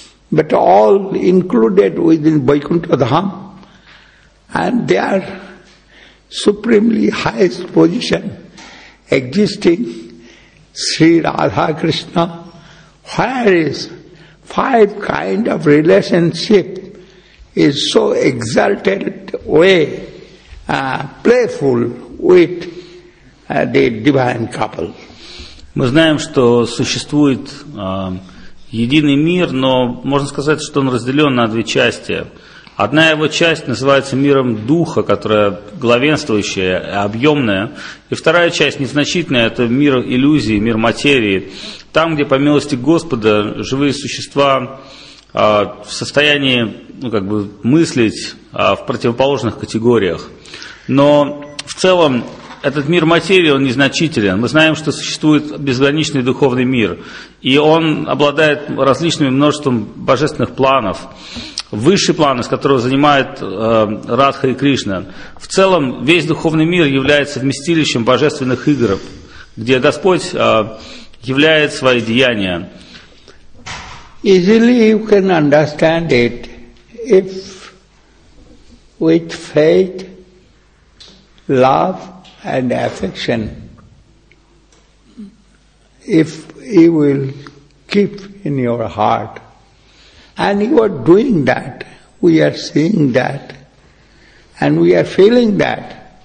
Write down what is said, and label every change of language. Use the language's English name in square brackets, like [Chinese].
[English] but all included within Vaikuntha Dham, and they are supremely highest position existing Sri Radha Krishna, where is five kind of relationship is so exalted way, playful with the divine couple. [Russian] Мы знаем, что существует единый мир, но можно сказать, что он разделен на две части. Одна его часть называется миром духа, которая главенствующая, объемная. И вторая часть, незначительная, это мир иллюзий, мир материи. Там, где по милости Господа живые существа в состоянии мыслить в противоположных категориях. Но в целом этот мир материи, он незначителен. Мы знаем, что существует безграничный духовный мир. И он обладает различным множеством божественных планов. Высший план, из которого занимают Радха и Кришна. В целом, весь духовный мир является вместилищем божественных игр, где Господь являет свои деяния. [English] Easily you can understand it, if with faith, love and affection, if you will keep in your heart, and you are doing that, we are seeing that, and we are feeling that.